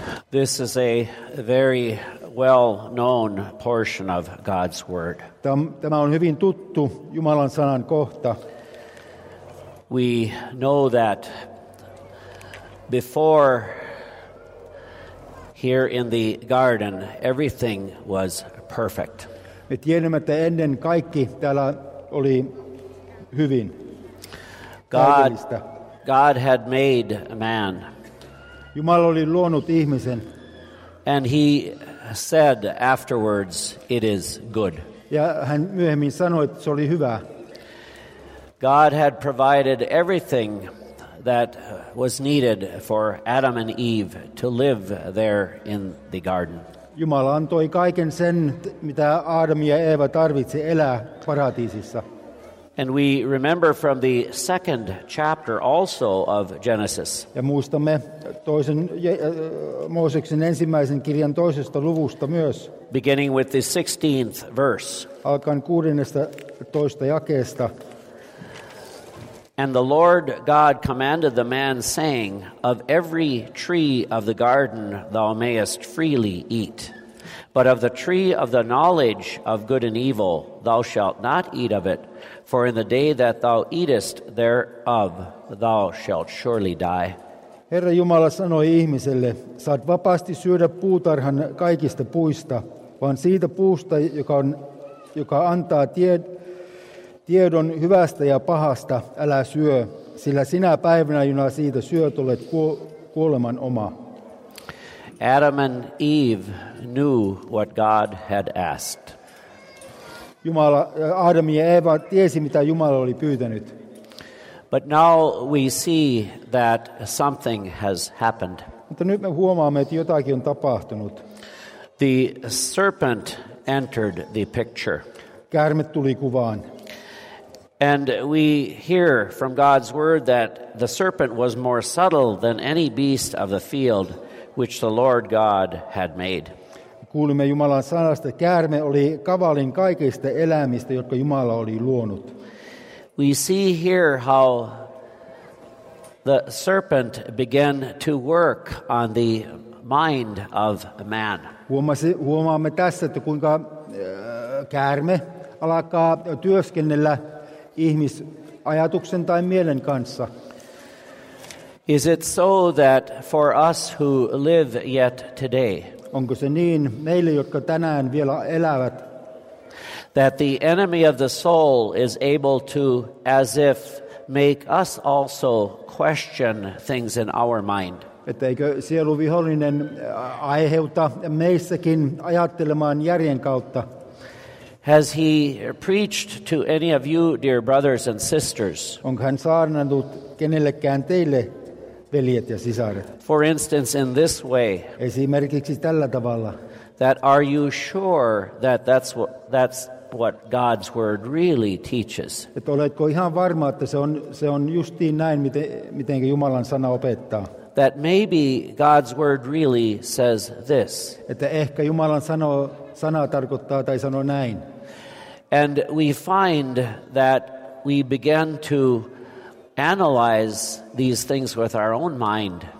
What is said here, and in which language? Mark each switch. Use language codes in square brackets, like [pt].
[en] This is a very well-known portion of God's word. [fi] Tämä on hyvin tuttu Jumalan sanan kohta. [en] We know that before here in the garden everything was perfect. [fi] Me tiedämme, että ennen kaikki täällä oli hyvin. [en] God had made man. [fi] Jumala oli luonut ihmisen. [en] And he said afterwards, it is good. [fi] Ja hän myöhemmin sanoi, että se oli hyvä. [en] God had provided everything that was needed for Adam and Eve to live there in the garden. [fi] Jumala antoi kaiken sen, mitä Adam ja Eeva tarvitsi elää paratiisissa. [en] And we remember from the second chapter also of Genesis. [fi] Ja muistamme toisen Mooseksen ensimmäisen kirjan toisesta luvusta myös. [en] Beginning with the 16th verse. [fi] Alkaen 16. jakeesta. [en] And the Lord God commanded the man, saying, of every tree of the garden thou mayest freely eat. But of the tree of the knowledge of good and evil thou shalt not eat of it, for in the day that thou eatest thereof thou shalt surely die. [fi] Herra Jumala sanoi ihmiselle, saat vapaasti syödä puutarhan kaikista puista, vaan siitä puusta, joka antaa tiedon hyvästä ja pahasta, älä syö, sillä sinä päivänä, jona siitä syöt, olet kuoleman oma. [en] Adam and Eve knew what God had asked. [fi] Jumala, Adam ja Eeva tiesi, mitä Jumala oli pyytänyt. [en] But now we see that something has happened. [fi] Mutta nyt me huomaamme, että jotakin on tapahtunut. [en] The serpent entered the picture. [fi] Käärme tuli kuvaan. [en] And we hear from God's word that the serpent was more subtle than any beast of the field which the Lord God had made. [fi] Kuulimme Jumalan sanasta, että käärme oli kavalin kaikista eläimistä, jotka Jumala oli luonut. [en] We see here how the serpent began to work on the mind of man. [fi] Huomaamme tässä, että kuinka käärme alkaa työskennellä ihmisajatuksen tai mielen kanssa. [en] Is it so that for us who live yet today? [fi] Onko se niin meille, jotka tänään vielä elävät? [en] That the enemy of the soul is able to, as if, make us also question things in our mind. [fi] Etteikö sieluvihollinen aiheuta meissäkin ajattelemaan järjen kautta? [en] Has he preached to any of you, dear brothers and sisters? [fi] Onko hän saarnannut kenellekään teille, veljet ja sisaret? [en] For instance, in this way. [fi] Esimerkiksi tällä tavalla. [en] That are you sure that that's what God's word really teaches? [fi] Et oletko ihan varma, että se on justiin näin, miten Jumalan sana opettaa? [en] That maybe God's word really says this. [fi] Että ehkä Jumalan sana tarkoittaa tai sanoo näin. [en] And we find that we begin to analyze these things with our own mind.